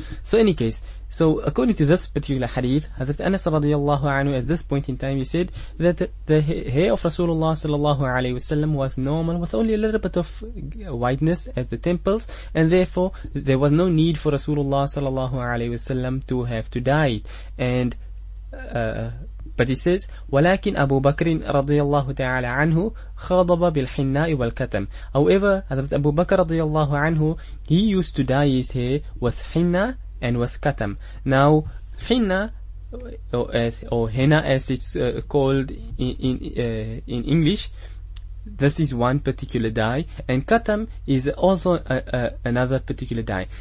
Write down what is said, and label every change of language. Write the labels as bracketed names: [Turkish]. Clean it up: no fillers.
[English] So any case, so according to this particular hadith, Hazrat Anas radiallahu anhu at this point in time, he said that the hair of Rasulullah sallallahu alayhi wasallam was normal with only a little bit of whiteness at the temples, and therefore there was no need for Rasulullah sallallahu alayhi wasallam to have to dye. And but he says, [Arabic] ولكن أبو بكر رضي الله تعالى عنه خاضب بالحناء والكتم. [English] However, Hazrat Abu Bakr [Arabic] رضي الله عنه, [English] he used to dye his hair with henna and with katam. Now, henna, or henna as it's called in English, this is one particular dye, and katam is also another particular dye.